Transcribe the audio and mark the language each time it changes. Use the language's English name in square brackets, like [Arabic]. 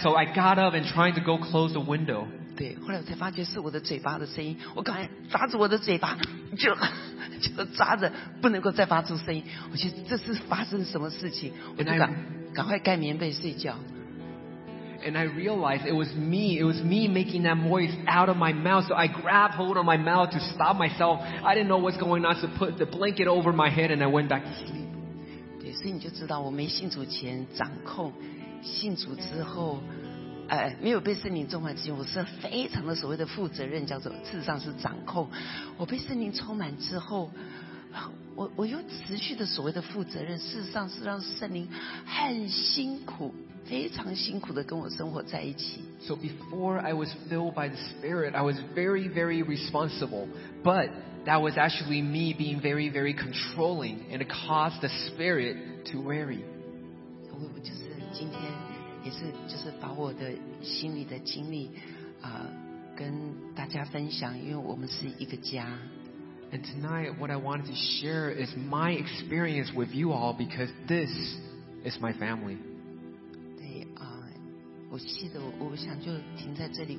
[English] So I got up and trying to go close the window. [Chinese] 对，后来我才发觉是我的嘴巴的声音。我赶快抓住我的嘴巴，就抓着，不能够再发出声音。我觉得这是发生什么事情？我就赶快盖棉被睡觉。 [English] and I realized it was me making that noise out of my mouth. So I grabbed hold of my mouth to stop myself. I didn't know what's going on, so put the blanket over my head and I went back to sleep. [Chinese] 对，所以你就知道我没信主前掌控，信主之后没有被圣灵充满之前，我是非常的所谓的负责任，叫做事实上是掌控。我被圣灵充满之后，我又持续的所谓的负责任，事实上是让圣灵很辛苦，非常辛苦的跟我生活在一起。 [English] So before I was filled by the Spirit, I was very, very responsible. But that was actually me being very, very controlling, and it caused the Spirit to worry. [Chinese] 我就是今天也是就是把我的心里的经历跟大家分享，因为我们是一个家。 [English] And tonight, what I wanted to share is my experience with you all, because this is my family. [Chinese] 对啊，我记得我想就停在这里。